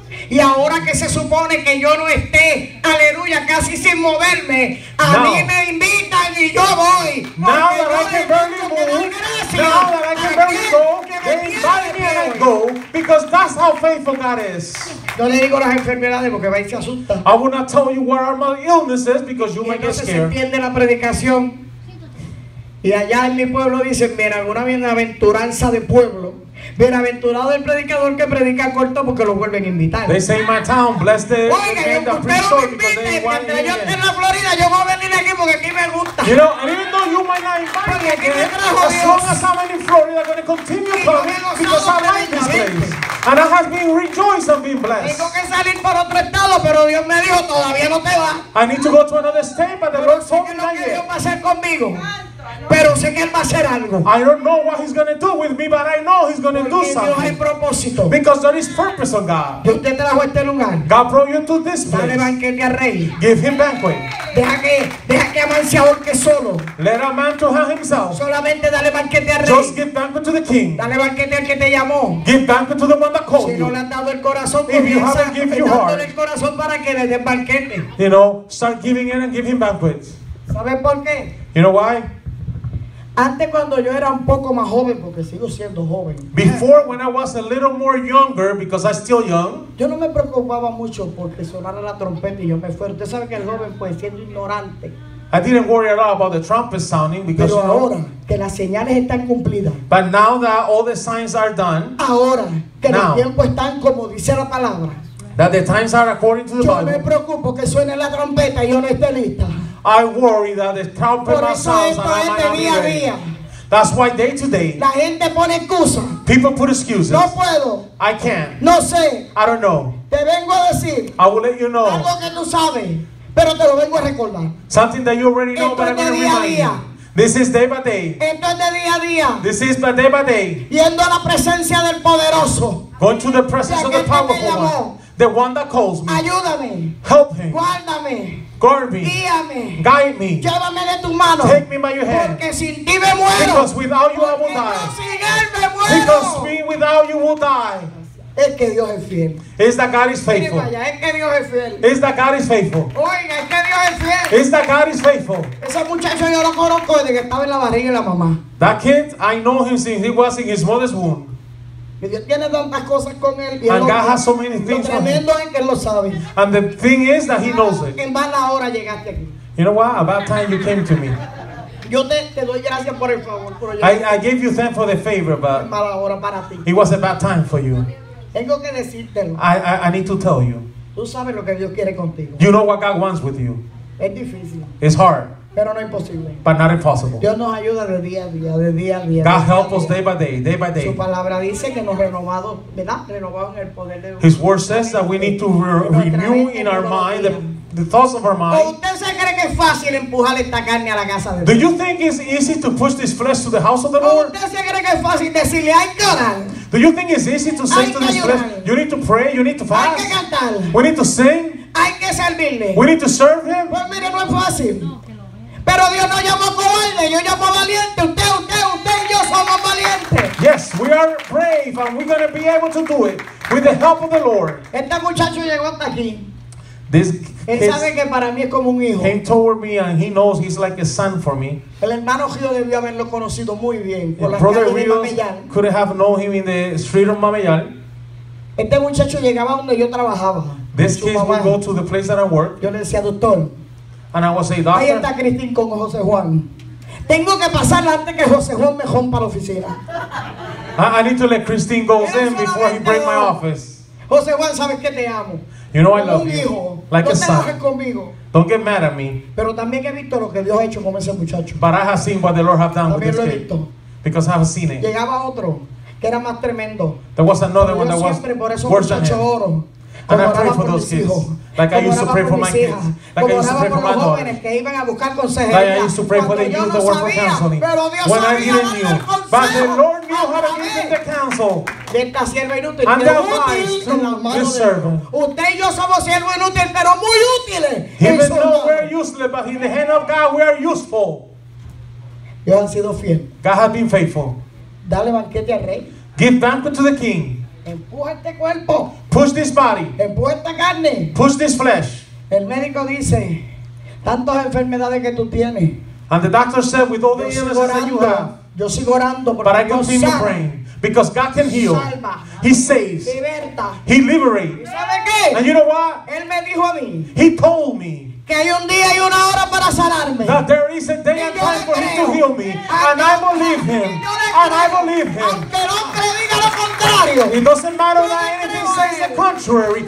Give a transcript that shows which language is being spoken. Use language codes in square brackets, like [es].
[es] Y ahora que se supone que yo no esté, aleluya, casi sin moverme, a [en] now, [es] mí me invitan y yo voy. [en] Now that I can barely move, now that I can barely go, they invite me and I go, because that's how faithful God is. [es] No le digo las enfermedades porque vais a asustar. [en] I will not tell you what are my illnesses because you might get scared. [es] Y entonces se entiende la predicación. Y allá en mi pueblo dicen, mira, una bienaventuranza de pueblo. Bienaventurado el predicador que predica corto porque lo vuelven a invitar. [en] They say in my town, bless the [es] oiga, man yo, [en] that preaches short because they want to [es] yo estoy en la Florida, yo voy a venir aquí porque aquí me gusta. [en] You know, and even though you might not invite me again, [es] trajo, [en] as long as I'm in Florida, I'm going to continue coming because I like this place. And I have been rejoiced of being blessed. [es] Tengo que salir por otro estado, pero Dios me dijo, todavía no te va. [en] I need to go to another state, but the [es] pero [en] Lord told me that [es] Dios va a hacer conmigo. Pero sé que él va a hacer algo. [en] I don't know what he's going to do with me, but I know he's going to do something. Because there is purpose on God. [es] Dios te trajo este lugar. [en] God brought you to this place. [es] Dale banquete al rey. [en] Give him banquet. [es] Deja que a man se ahorque solo. [en] Let a man to hang himself. [es] Solamente dale banquete al rey. [en] Just give banquet to the king. [es] Dale banquete al que te llamó. [en] Give banquet to the one that called [es] si [en] you. [es] No le han dado el corazón, [en] if you haven't given your heart. [es] El corazón para que le den banquete. [en] You know, start giving it and give him banquet. [es] ¿Sabes por qué? [en] You know why? [es] Antes cuando yo era un poco más joven, porque sigo siendo joven. [en] Before when I was a little more younger, because I still young. [es] Yo no me preocupaba mucho porque sonara la trompeta y yo me fuera. Usted sabe que el joven pues siendo ignorante. [en] I didn't worry at all about the trumpet sounding because [es] pero ahora, [en] you know, [es] que las señales están cumplidas. [en] But now that all the signs are done. [es] Ahora que los tiempos están como dice la palabra. [en] That the times are according to the [es] yo [en] Bible. [es] Yo me preocupo que suene la trompeta y yo no esté lista. [en] I worry that the trumpet might sound and I might not be ready. [es] Día. [en] That's why day to day. [es] La gente pone excusa. [en] People put excuses. [es] No puedo. [en] I can't. [es] No sé. [en] I don't know. [es] Te vengo a decir. [en] I will let you know. [es] Algo que tú sabes, pero te lo vengo a recordar. [en] Something that you already know, but I'm going to remind [es] día. [en] You. This is day by day. [es] Esto es de día a día. [en] This is by day by day. [es] Yendo a la presencia del poderoso. [en] Going to the presence of the powerful one. The one that calls me. [es] Ayúdame. [en] Help him. [es] Guárdame. [en] Guard me. [es] Guíame. [en] Guide me. [es] Llévame de tu mano. [en] Take me by your hand. [es] Porque sin ti me muero. [en] Because without you [es] porque [en] I will die. [es] Sin él me muero. [en] Because me without you will die. [es] Es que Dios es fiel. [en] Is that God is faithful? Is that God is faithful? [es] Oiga, es que Dios es fiel. [en] Is that God is faithful? [es] Ese muchacho yo lo conozco desde que estaba en la barriga de la mamá. [en] That kid, I know him since he was in his mother's womb. And God has so many things for him. And the thing is that he knows it. You know what? About time you came to me. I gave you thanks for the favor, but it was a bad time for you. I need to tell you. You know what God wants with you. It's hard. [es] Pero no imposible. [en] But not impossible. [es] Dios nos ayuda de día a día, de día a día. [en] God help us day by day, day by day. [es] Su palabra dice que nos renovado, ¿verdad? Renovado en el poder de Dios. [en] His word says that we need to renew in our mind the thoughts of our mind. [es] ¿O usted se cree que es fácil empujar esta carne a la casa de Dios? [en] Do you think it's easy to push this flesh to the house of the Lord? [es] ¿O usted se cree que es fácil decirle hay que orar? [en] Do you think it's easy to say to this flesh, you need to pray, you need to fast? [es] Hay que cantar. [en] We need to sing. [es] Hay que servirle. [en] We need to serve him. [es] Pues mire, no es fácil. Pero Dios no llamó cobarde, yo llamo valiente. Usted y yo somos valientes. [en] Yes, we are brave and we're going to be able to do it with the help of the Lord. [es] Este muchacho llegó hasta aquí. [en] This, [es] él sabe que para mí es como un hijo. [en] Came toward me and he knows he's like a son for me. [es] El hermano Gio debió haberlo conocido muy bien. [en] Brother Rios couldn't have known him in the street of Mamellán. [es] Este muchacho llegaba donde yo trabajaba. [en] This kid would go to the place that I work. [es] Yo le decía, doctor. [en] And I would say, doctor. [es] Ahí está Cristín con José Juan. Tengo que pasar antes que José Juan me rompa la oficina. [en] I need to let Cristín go in before he breaks my office. [es] José Juan, sabes que te amo. [en] You know I love [es] hijo, [en] you. Like [es] no [en] a son. [es] Conmigo. [en] Don't get mad at me. [es] Pero también he visto lo que Dios ha hecho con ese muchacho. [en] But I have seen what the Lord has done [es] también [en] with this kid. [es] Visto. [en] Because I have seen it. Llegaba otro. que era más tremendo. There was another one that was worse than him. And I prayed for those kids. Like I used to pray for my kids. Like I used to pray for my daughter. Like I used to pray for the youth that worked for counseling. When I didn't know. But the Lord knew how to give them the counsel. And the wise through his servant. Even though we're useless, but in the hand of God we are useful. God has been faithful. [es] Dale banquete al rey. [en] Give banquet to the king. [es] Empuja este cuerpo. [en] Push this body. [es] Empuja esta carne. [en] Push this flesh. [es] El médico dice, tantas enfermedades que tú tienes. [en] And the doctor said, with all the illnesses that you have, [es] yo sigo orando, [en] but I continue praying. Because God can heal. [es] Salva. [en] He saves. [es] Liberta. [en] He liberates. [es] ¿Sabe qué? [en] And you know what? [es] Él me dijo a mí. [en] He told me. [es] Que hay un día y una hora para sanarme. [en] That there is a day and time for him to heal me. And I believe him. And I believe him. [es] Aunque no diga lo contrario. [en] It doesn't matter that anything says the contrary.